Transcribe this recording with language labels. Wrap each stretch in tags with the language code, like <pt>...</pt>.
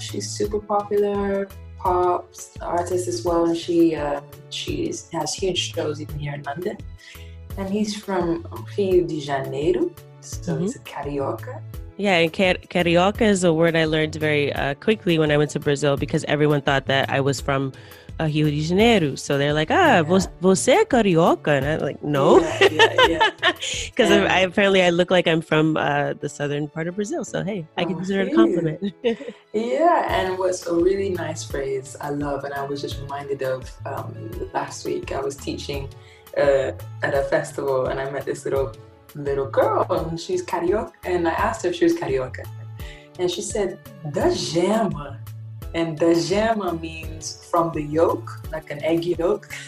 <en>She's super popular pop artist as well, and she has huge shows even here in London. And he's from Rio de Janeiro, so he's a carioca. Yeah, and carioca is a word I learned very quickly when I went to Brazil, because everyone thought that I was from Rio de Janeiro. So they're like,</en> <pt>você é carioca?</pt> <en>And I'm like, no. Because apparently I look like I'm from the southern part of Brazil. So, hey, I can consider it a compliment. Yeah, and what's a really nice phrase I love, and I was just reminded of last week, I was teaching at a festival and I met this little girl, and she's carioca, and I asked her if she was carioca, and she said</en> <pt>da gema,</pt> <en>and da gema means from the yolk, like an egg yolk.</en>